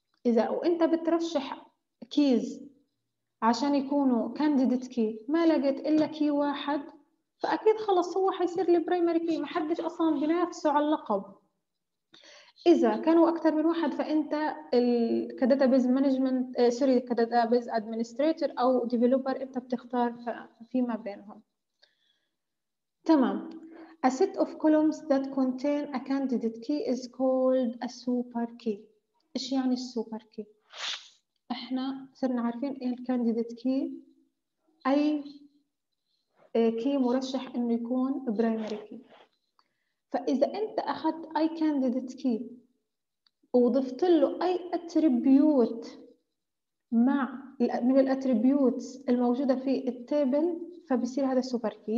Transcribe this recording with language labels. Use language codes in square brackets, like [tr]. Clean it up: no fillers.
[ar] إذا وأنت بترشح كيز عشان يكونوا كانديديت كي ما لقيت إلا كي واحد، فأكيد خلص هو حيصير البرايمري كي، ما حدش أصلا بينافسه على اللقب. إذا كانوا أكثر من واحد فأنت كداتابيز مانجمنت سوري كداتابيز أدمنستريتور أو ديفلوبر أنت بتختار فيما بينهم، تمام. [en] A set of columns that contain a candidate key is called a super key. [ar] إيش يعني السوبر كي؟ احنا صرنا عارفين ايه الكانديديت كي، اي كي مرشح انه يكون برايمري كي. فاذا انت اخذت اي كانديديت كي وضفت له اي اتريبيوت مع من الاتريبيوتس الموجوده في التابل، فبيصير هذا سوبر كي.